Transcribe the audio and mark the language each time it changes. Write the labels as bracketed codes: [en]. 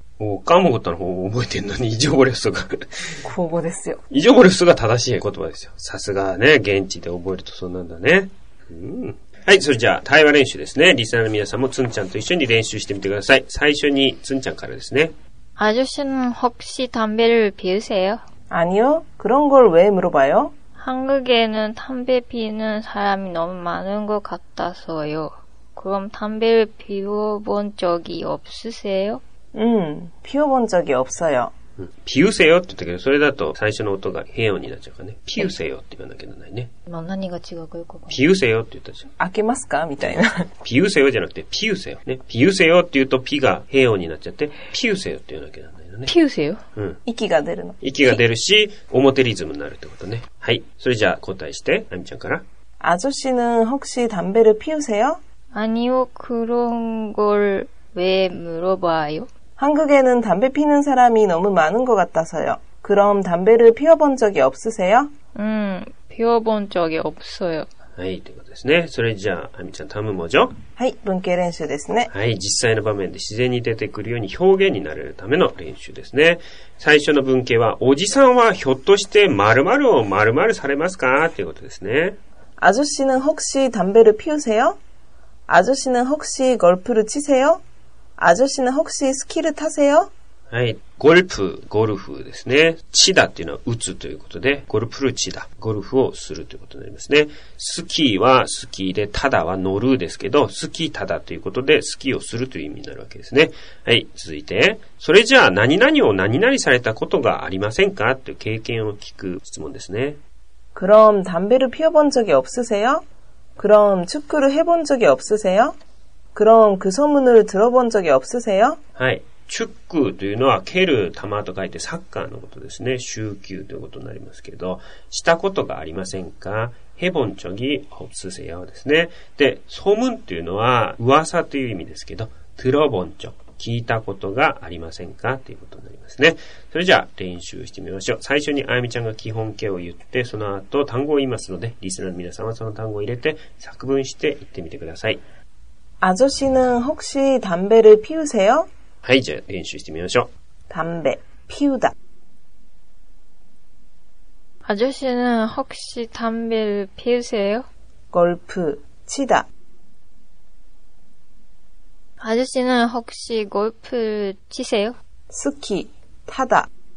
[ja] おー、カモゴッタの方を覚えてんのに、イジョボレフスが。口語ですよ。イジョボレフスが正しい言葉ですよ。さすがね、現地で覚えるとそうなんだね。はい、それじゃあ対話練習ですね。リスナーの皆さんもツンちゃんと一緒に練習してみてください。最初にツンちゃんからですね。 [ko] 아저씨는혹시담배를피우세요? 아니요. 그런걸왜물어봐요? 한국에는담배피는사람이너무많은것같아서요. 그럼담배를피워본적이없으세요? 피워본적이없어요. [ja] ピウセヨって言ったけど、それだと最初の音が変音になっちゃうからね。ピウセヨって言わなきゃならないね。まあ何が違うかよくわかんない。ピウセヨって言ったじゃん。開けますかみたいな。ピウセヨじゃなくて、ピウセヨ。ね。ピウセヨって言うとピが変音になっちゃって、ピウセヨって言わなきゃならないのね。ピウセヨ、うん。息が出るの。息が出るし、表リズムになるってことね。はい。それじゃあ答えして、アミちゃんから。 [ko] 아저씨는혹시담배를피우세요? 아니요,그런걸왜물어봐요? 한국에는담배피는사람이너무많은것같아서요. 그럼담배를피워본적이없으세요? 피워본적이없어요. [ja] はい、ということですね。それじゃあ、アミちゃん、頼むもじょ。はい、文型練習ですね。はい、実際の場面で自然に出てくるように表現になれるための練習ですね。最初の文型は、おじさんはひょっとして〇〇を〇〇されますか? ということですね。 [ko] 아저씨는혹시담배를피우세요? 아저씨는혹시골프를치세요? 아저씨는혹시스키를타세요? [ja] はい、골프、ゴルフですね。치다っていうのは打つということで、ゴルプル치다、ゴルフをするということになりますね。スキーはスキーで、タダは乗るですけど、スキータダということで、スキーをするという意味になるわけですね。はい、続いて、それじゃあ何々を何々されたことがありませんか? という経験を聞く質問ですね。 [ko] 그럼담배를피워본적이없으세요? 그럼축구를해본적이없으세요? 그럼그소문을들어본적이없으세요? [ja] はい。 축구というのは蹴る球と書いてサッカーのことですね。蹴球ということになりますけど、したことがありませんか? [ko] 해본적이없으세요 [ja] ですね。で、소문というのは噂という意味ですけど、 [ko] 들어본적、 [ja] 聞いたことがありませんかということになりますね。それじゃあ練習してみましょう。最初にあやみちゃんが基本形を言って、その後単語を言いますので、リスナーの皆さんはその単語を入れて作文して言ってみてください。 [ko] 아저씨는혹시담배를피우세요? [ja] はい、じゃあ練習してみましょう。 [ko] 담배피우다 아저씨는혹시담배를피우세요? 골프치다 아저씨는혹시골프치세요? 스키타다